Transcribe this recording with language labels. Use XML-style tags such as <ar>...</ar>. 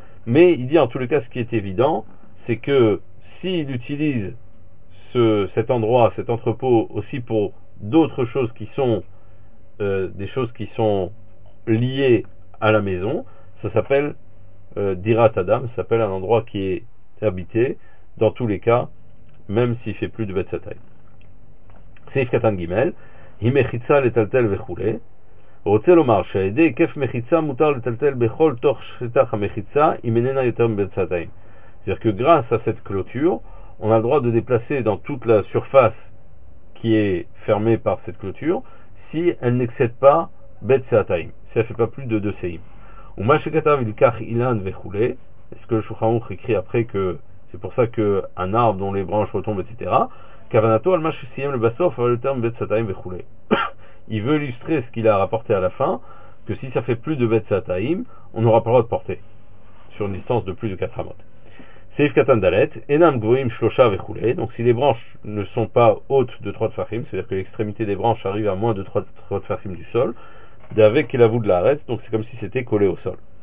<fr>Mais il dit en tout le cas ce qui est évident, c'est que s'il utilise cet endroit, cet entrepôt aussi pour d'autres choses qui sont des choses qui sont liées à la maison, ça s'appelle Dirat Adam, ça s'appelle un endroit qui est habité dans tous les cas, même s'il fait plus de bet sataim.</fr> <he>Seif Katan Gimel, Himechitza letaltel vechule, רוצה לומר שהידי היקף מחיצה מותר לטלטל בכל תוך שטח המחיצה אם איננה יותר מבצעתיים.</he> <fr>C'est-à-dire que grâce à cette clôture, on a le droit de déplacer dans toute la surface qui est fermée par cette clôture si elle n'excède pas בצעתיים, si elle ne fait pas plus de 2 seim.</fr> <he>ומה שכתב ילקח אילן וכולי,</he> <fr>est-ce que le Shulchan Aruch écrit après que c'est pour ça qu'un arbre dont les branches retombent, etc.</fr> <he>כוונתו על מה שסיים לבסוף אבל יותר מבצעתיים וכולי.</he> <fr>Il veut illustrer ce qu'il a rapporté à la fin, que si ça fait plus de bet sataim, on n'aura pas le droit de porter sur une distance de plus de 4 amot. Seif katan dalet,</fr> <he>enam gvoim shlosha vechule,</he> <fr>donc si les branches ne sont pas hautes de 3 tfachim, c'est-à-dire que l'extrémité des branches arrive à moins de 3 tfachim du sol, d'avec qu'il avoue de la arête, donc c'est comme si c'était collé au sol.</fr>